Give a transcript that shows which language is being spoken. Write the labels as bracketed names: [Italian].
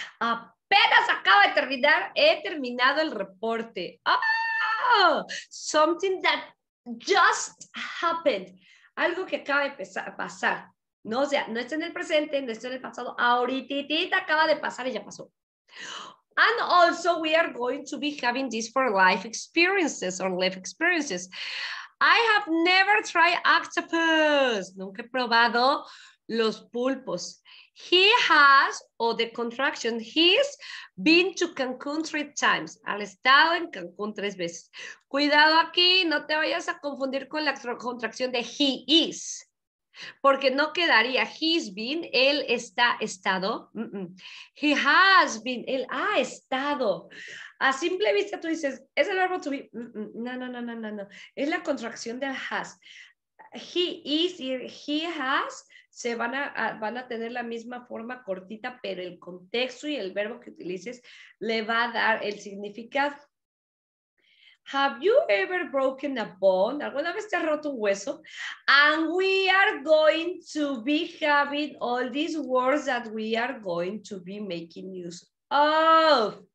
[Spanish] Apenas acabo de terminar, he terminado el reporte. [English] Oh, something that just happened. [Spanish] Algo que acaba de pasar. No, o sea, no está en el presente, no está en el pasado. Ahorita acaba de pasar y ya pasó. [English] And also, we are going to be having this for life experiences or life experiences. I have never tried octopus. [Spanish] Nunca he probado los pulpos. [English] He has, or the contraction, he's been to Cancun 3 times. [Spanish] Al estado en Cancun 3 veces. Cuidado aquí, no te vayas a confundir con la contracción de [English] he is. [Spanish] Porque no quedaría [English] he's been, [Spanish] él está, estado. Mm-mm. [English] He has been, [Spanish] él ha estado. A simple vista tú dices, es el verbo to be. No. Es la contracción del has. [English] He is [Spanish] y [English] he has [Spanish] se van a tener la misma forma cortita, pero el contexto y el verbo que utilices le va a dar el significado. [English] Have you ever broken a bone? [Spanish] ¿Alguna vez te has roto un hueso? [English] And we are going to be having all these words that we are going to be making use of.